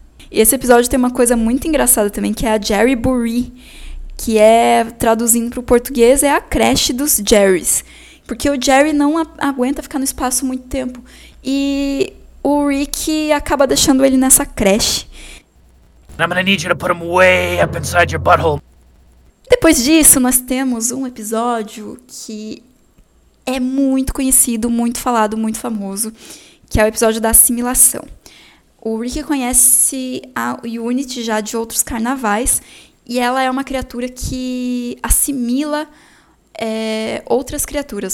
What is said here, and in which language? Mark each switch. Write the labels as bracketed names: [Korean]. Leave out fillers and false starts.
[Portuguese] E esse episódio tem uma coisa muito engraçada também, que é a Jerry Bury, que é, traduzindo para o português, é a creche dos Jerrys. Porque o Jerry não aguenta ficar no espaço muito tempo. E o Rick acaba deixando ele nessa creche. [English] I'm gonna need you to put him way up inside your butthole. [Portuguese] Depois disso, nós temos um episódio que é muito conhecido, muito falado, muito famoso, que é o episódio da assimilação. O Rick conhece a Unity já de outros carnavais, e ela é uma criatura que assimila, outras criaturas.